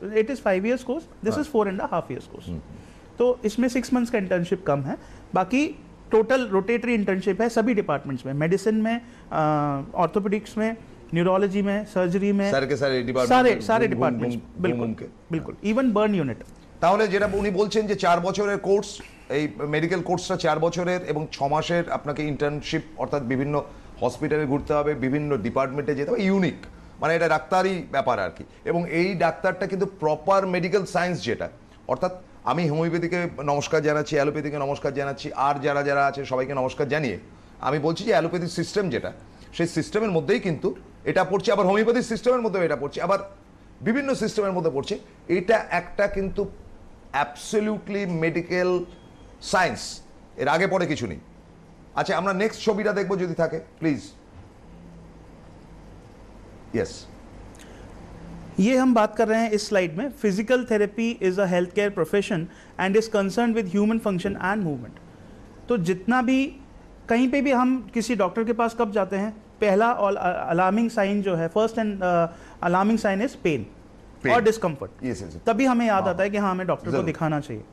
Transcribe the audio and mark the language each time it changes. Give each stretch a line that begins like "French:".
English: It is 5 years course, this is 4.5 years course.
Hindi: तो इसमें 6 months का इंटर्नशिप कम है, बाकी टोटल रोटेटरी इंटर्नशिप है सभी डिपार्टमेंट्स में, मेडिसिन में, ऑर्थोपेडिक्स में, न्यूरोलॉजी में, सर्जरी में, सारे के सारे डिपार्टमेंट, सारे डिपार्टमेंट, बिल्कुल इवन बर्न यूनिट।
Bangla: তাহলে যেটা উনি বলছেন যে চার বছরের কোর্স, এই মেডিকেল কোর্সটা চার বছরের এবং ছ মাসের আপনাকে ইন্টার্নশিপ, অর্থাৎ বিভিন্ন হসপিটালে ঘুরতে হবে, বিভিন্ন ডিপার্টমেন্টে যেতে হবে, ইউনিক, মানে এটা ডাক্তারই ব্যাপার আর কি। এবং এই ডাক্তারটা কিন্তু প্রপার মেডিকেল সায়েন্স, যেটা অর্থাৎ আমি হোমিওপ্যাথিকে নমস্কার জানাচ্ছি, অ্যালোপ্যাথিকে নমস্কার জানাচ্ছি, আর যারা যারা আছে সবাইকে নমস্কার জানিয়ে আমি বলছি যে অ্যালোপ্যাথিক সিস্টেম যেটা, সেই সিস্টেমের মধ্যেই কিন্তু এটা পড়ছে, আবার হোমিওপ্যাথিক সিস্টেমের মধ্যেও এটা পড়ছে, আবার বিভিন্ন সিস্টেমের মধ্যে পড়ছে, এটা একটা কিন্তু অ্যাবসলিউটলি মেডিকেল সায়েন্স, এর আগে পরে কিছু নেই। আচ্ছা, আমরা নেক্সট ছবিটা দেখবো যদি থাকে প্লিজ। ইয়েস,
Hindi: ये हम बात कर रहे हैं इस स्लाइड में,
English: Physical therapy is a health care profession and is concern with human function and movement.
Hindi: तो जितना भी कहीं पे भी हम किसी डॉक्टर के पास कब जाते हैं, पहला और अलार्मिंग साइन जो है,
English: first and alarming sign is pain
Hindi: और डिस्कम्फर्ट, तभी हमें याद आता है कि हाँ हमें डॉक्टर को दिखाना चाहिए।